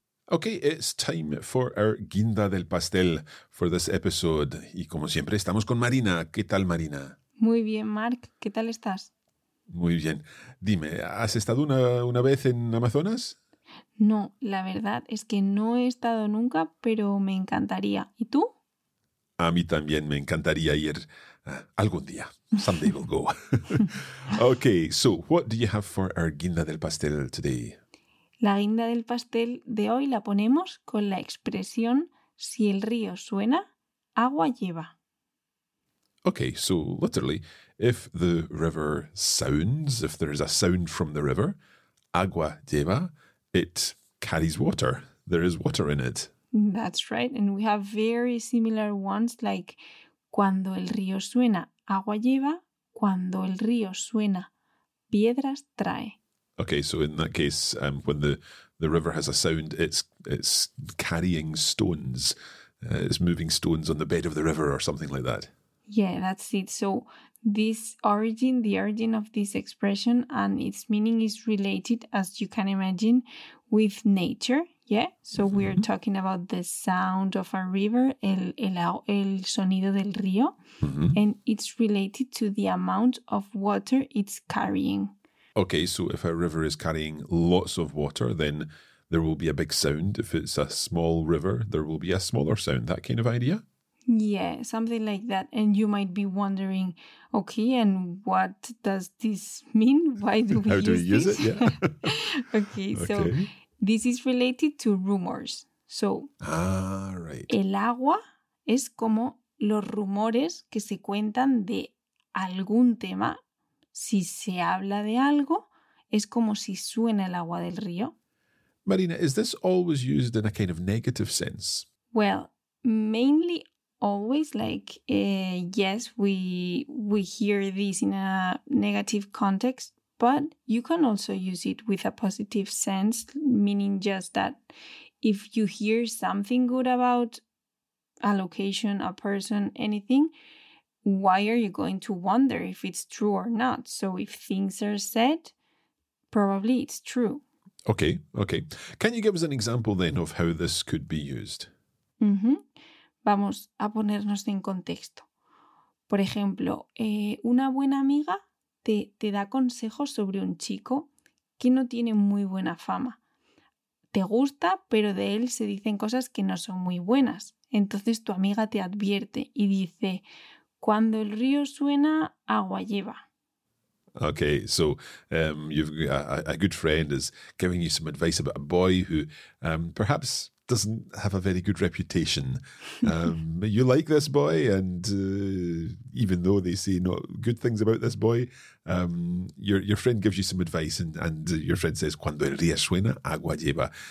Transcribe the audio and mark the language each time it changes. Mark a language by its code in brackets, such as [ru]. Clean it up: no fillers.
[en] Okay, it's time for our [es] guinda del pastel [en] for this episode. [es] Y como siempre, estamos con Marina. ¿Qué tal, Marina? Muy bien, Mark. ¿Qué tal estás? Muy bien. Dime, ¿has estado una vez en Amazonas? No, la verdad es que no he estado nunca, pero me encantaría. ¿Y tú? A mí también me encantaría ir algún día. [en] Someday we'll go. Okay, so what do you have for our [es] guinda del pastel [en] today? [es] La guinda del pastel de hoy la ponemos con la expresión si el río suena, agua lleva. [en] Okay, so literally, if the river sounds, if there is a sound from the river, [es] agua lleva, [en] it carries water. There is water in it. That's right, and we have very similar ones like [es] cuando el río suena, agua lleva, cuando el río suena, piedras trae. [en] Okay, so in that case, when the river has a sound, it's carrying stones. It's moving stones on the bed of the river or something like that. Yeah, that's it. So the origin of this expression and its meaning is related, as you can imagine, with nature. Yeah, so mm-hmm. We're talking about the sound of a river, [es] el sonido del río, [en] mm-hmm. and it's related to the amount of water it's carrying. Okay, so if a river is carrying lots of water, then there will be a big sound. If it's a small river, there will be a smaller sound, that kind of idea? Yeah, something like that. And you might be wondering, okay, and what does this mean? Why do we How use do we this? Use it? Yeah. Okay, so this is related to rumors. So, right. [es] El agua es como los rumores que se cuentan de algún tema. Si se habla de algo, es como si suena el agua del río. [en] Marina, is this always used in a kind of negative sense? Well, mainly always, like, yes, we hear this in a negative context, but you can also use it with a positive sense, meaning just that if you hear something good about a location, a person, anything, why are you going to wonder if it's true or not? So if things are said, probably it's true. Okay, okay. Can you give us an example then of how this could be used? Mm-hmm. [es] Vamos a ponernos en contexto. Por ejemplo, una buena amiga te da consejos sobre un chico que no tiene muy buena fama. Te gusta, pero de él se dicen cosas que no son muy buenas. Entonces tu amiga te advierte y dice, cuando el río suena, agua lleva. [en] Okay, so you've a good friend is giving you some advice about a boy who perhaps doesn't have a very good reputation. you like this boy, and even though they say not good things about this boy, your friend gives you some advice, and your friend says, [es] "Cuando el río suena, agua lleva."